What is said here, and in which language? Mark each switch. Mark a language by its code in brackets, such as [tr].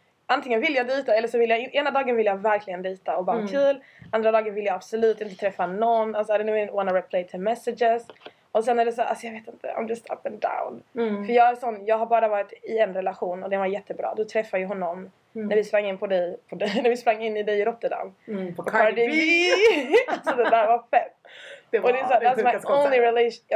[sv] Antingen vill jag dejta eller så vill jag... Ena dagen vill jag verkligen dejta och bara kul. Andra dagen vill jag absolut inte träffa någon. [en] Alltså, I don't even wanna reply to messages. [sv] Och sen är det så... Alltså, jag vet inte. [en] I'm just up and down. Mm. [sv] För jag är sån... Jag har bara varit i en relation och den var jättebra. Då träffar ju honom. Mm. När vi sprang in på dig, när vi sprang in i dig i Rotterdam. Mm, på Cardi B. Så det där var fett. Och det är så, [en] that's my only relationship.